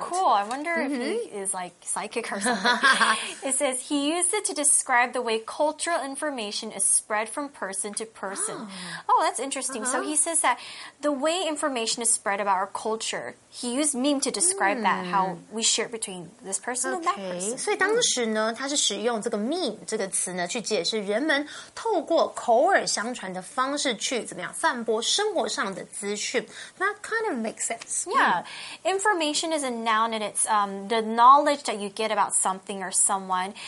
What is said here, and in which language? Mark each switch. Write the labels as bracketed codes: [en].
[en] I know, that's so cool. I wonder if he is like psychic or something. It says he used it to describe the way cultural information is spread from person to person. Oh, that's interesting. So he says that the way information is spread about our culture, he used meme to describe that, how we share between this person and that person. [zh] 所以当时呢他是使用这个 meme 这个词呢去解释人们透过口耳相传的方式去怎么样散播生活上的资讯。 [en] That kind of makes sense. Yeah. Information is a noun and it's the knowledge that you get about something or someone.